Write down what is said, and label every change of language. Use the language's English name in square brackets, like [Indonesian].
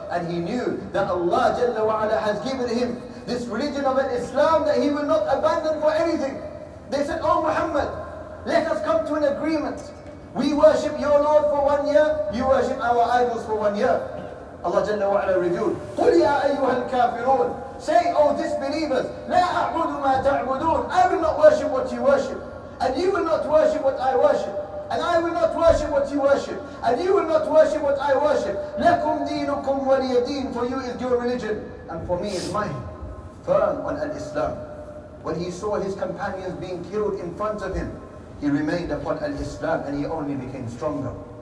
[English] And he knew that Allah Jalla wa'ala has given him this religion of Islam that he will not abandon for anything. They said, oh Muhammad, let us come to an agreement. We worship your Lord for 1 year, you worship our idols for 1 year. Allah Jalla wa'ala revealed, [Arabic] قُلْ يَا أَيُّهَا الْكَافِرُونَ. [English] Say, oh disbelievers, [Arabic] لَا أَعْبُدُ مَا تَعْبُدُونَ. [English] I will not worship what you worship. And you will not worship what I worship. And I will not worship what you worship. And you will not worship what I worship. [Arabic] لَكُمْ دِينُكُمْ وَلِيَدِينَ. [English] For you is your religion. And for me is mine. Firm on al-Islam. When he saw his companions being killed in front of him, he remained upon al-Islam and he only became stronger.